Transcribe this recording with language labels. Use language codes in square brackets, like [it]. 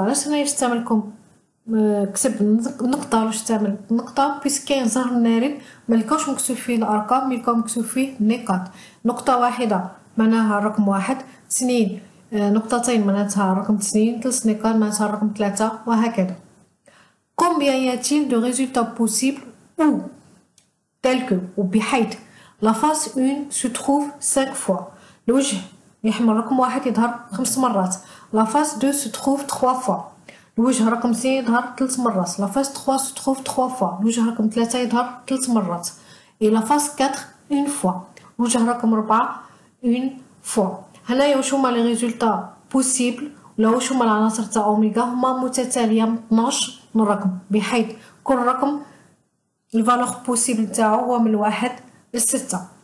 [ar] علاش انا نستعمل لكم كتب نقطه باش نستعمل نقطه بيسكين زهر النارد ما لكوش مكتوب فيه الارقام مي كوم مكتوب فيه نقاط. نقطه واحده معناها رقم واحد، اثنين نقطتين معناتها رقم 2، 3 نقاط معناتها رقم 3 وهكذا. [fr] Combien y a-t-il de résultats possibles ou tel que ou بحيث la face 1 se trouve 5 fois. [ar] الوجه يحمل رقم 1 يظهر 5 مرات. [fr] La face 2 se trouve 3 fois. [ar] الوجه رقم 2 يظهر 3 مرات. [fr] La face 3 se trouve 3 fois. [ar] الوجه رقم 3 يظهر 3 مرات. [fr] Et la face 4 une fois. [ar] الوجه رقم 4 [fr] une fois. [ar] هنا واش هما [fr] لي ريزولطا بوسيبل [ar] ولا واش هما العناصر تاع اوميغا؟ هما متتاليه من 12 من رقم بحيث كل رقم الفالور بوسيبل تاعه هو من 1 ل 6.